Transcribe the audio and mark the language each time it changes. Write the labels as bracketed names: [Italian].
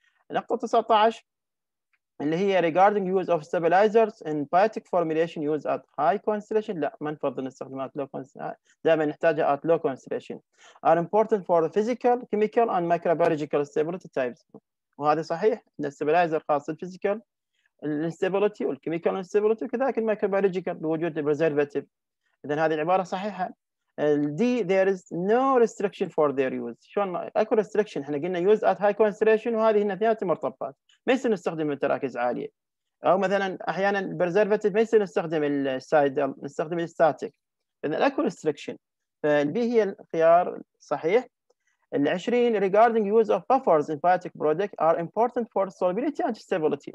[Arabic] نقطه 19 اللي هي [English] regarding use of stabilizers in biotic formulation used at high concentration، [Arabic] لا ما نفضل نستخدمها [English] at low concentration، [Arabic] دائما نحتاجها [English] at low concentration، are important for the physical, chemical and microbiological stability types. [Arabic] وهذا صحيح ان stabilizer خاص بالphysical instability والchemical instability وكذلك الميكروبيولوجيكال بوجود البريزرفاتيف. اذا هذه العباره صحيحه. [English] D there is no restriction for their use. [Arabic] شلون اكو restriction؟ احنا قلنا [English] use at high concentration [Arabic] وهذه هنا اثنين مرتبطات. ما يصير نستخدم التراكز عالية. أو مثلا أحيانا البرزرفاتيف ما يصير نستخدم السايدل، نستخدم الستاتيك. إذا اكو restriction. فالبي هي الخيار الصحيح. [English] ال 20 regarding use of buffers in biotic product are important for solubility and stability.